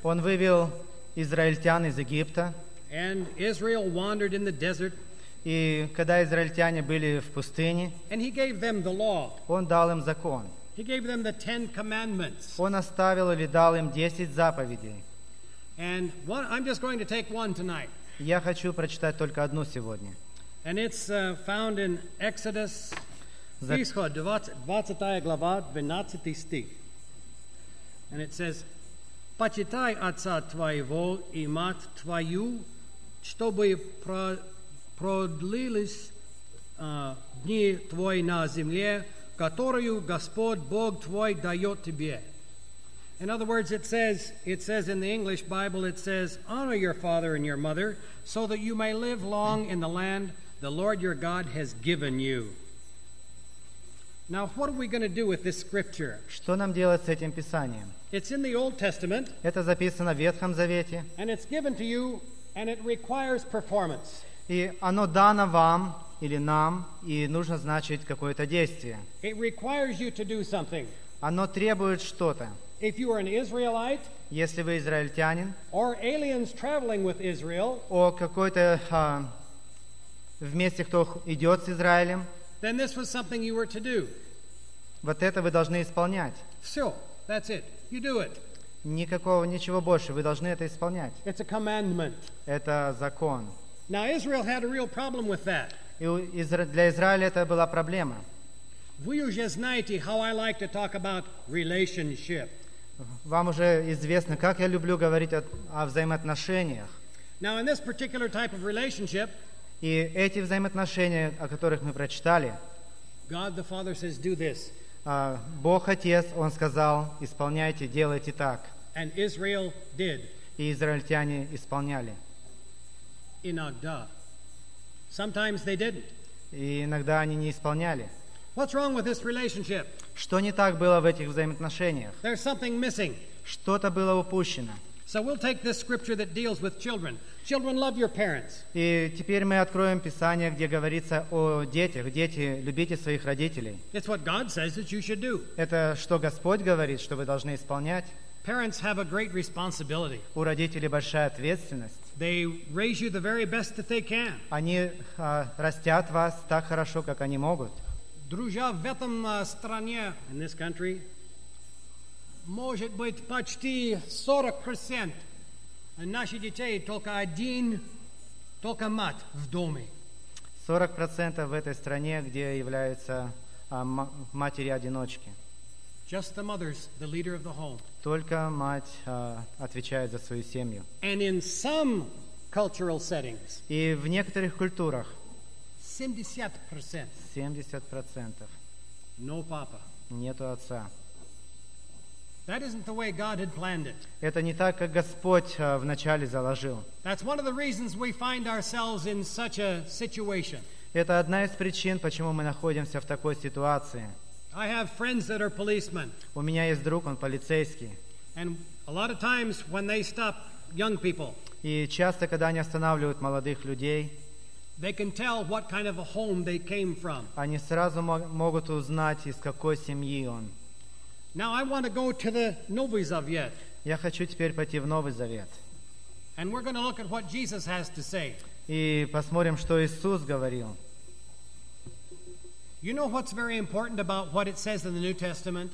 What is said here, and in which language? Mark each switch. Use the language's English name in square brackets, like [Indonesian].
[Russian] Он вывел израильтян из Египта. [English] And Israel wandered in the desert. [Russian] И когда израильтяне были в пустыне, [English] and he gave them the law. [Russian] Он дал им закон. [English] He gave them the 10 commandments. [Russian] Он оставил или дал им 10 заповедей. [English] And one, I'm just going to take one tonight. [Russian] Я хочу прочитать только одну сегодня. [English] And it's found in Exodus, Исход, 20 глава, 12 стих. And it says, [Russian] почитай отца твоего и мать твою, чтобы продлились дни твои на земле, которую Господь Бог твой дает тебе. [English] In other words, it says in the English Bible, it says, honor your father and your mother, so that you may live long in the land the Lord your God has given you. Now, what are we going to do with this scripture? [Russian] Что нам делать с этим писанием? [English] It's in the Old Testament. [Russian] Это записано в Ветхом Завете. [English] And it's given to you, and it requires performance. [Russian] И оно дано вам или нам, и нужно, значит, какое-то действие. [English] It requires you to do something. [Russian] Оно требует что-то. [English] If you are an Israelite, [Russian] если вы израильтянин, [English] or aliens traveling with Israel, [Russian] о какой-то вместе кто идет с Израилем. [English] Then this was something you were to do. [Russian] Вот это вы должны исполнять. Все, [English] that's it. You do it. [Russian] Никакого, ничего больше. Вы должны это исполнять. [English] It's a commandment. [Russian] Это закон. [English] Now Israel had a real problem with that. [Russian] И для Израиля это была проблема. Вы уже знаете, [English] how I like to talk about relationship. [Russian] Вам уже известно, как я люблю говорить о взаимоотношениях. [English] Now in this particular type of relationship. [Russian] И эти взаимоотношения, о которых мы прочитали, [English] God the Father says, do this. [Russian] Бог Отец, Он сказал, исполняйте, делайте так. [English] And Israel did. [Russian] И израильтяне исполняли. Иногда. [English] Sometimes they didn't. [Russian] И иногда они не исполняли. [English] What's wrong with this relationship? [Russian] Что не так было в этих взаимоотношениях? [English] There's something missing. [Russian] Что-то было упущено. [English] So we'll take this scripture that deals with children. Children, love your parents. [Russian] И теперь мы откроем Писание, где говорится о детях. Дети, любите своих родителей. [English] It's what God says that you should do. [Russian] Это что Господь говорит, что вы должны исполнять. [English] Parents have a great responsibility. [Russian] У родителей большая ответственность. [English] They raise you the very best that they can. [Russian] Они растят вас так хорошо, как они могут. Друзья, в этом стране, [English] in this country, [Russian] может быть почти 40% наших детей только один, только мать в доме. 40% в этой стране, где являются матери-одиночки. [English] Just the mothers, the leader of the home. [Russian] Только мать отвечает за свою семью. [English] And in some cultural settings. [Russian] И в некоторых культурах. [English] 70%. [Russian] 70%. [English] No papa. [Russian] Нету отца. [English] That isn't the way God had planned it. [Russian] Это не так, как Господь вначале заложил. [English] That's one of the reasons we find ourselves in such a situation. [Russian] Это одна из причин, почему мы находимся в такой ситуации. [English] I have friends that are policemen. [Russian] У меня есть друг, он полицейский. [English] And a lot of times when they stop young people. [Russian] И часто, когда они останавливают молодых людей. [English] They can tell what kind of a home they came from. [Russian] Они сразу могут узнать, из какой семьи он. [English] Now I want to go to the Новый Завет. [Russian] Я хочу теперь пойти в Новый Завет. [English] And we're going to look at what Jesus has to say. [Russian] И посмотрим, что Иисус говорил. [English] You know what's very important about what it says in the New Testament?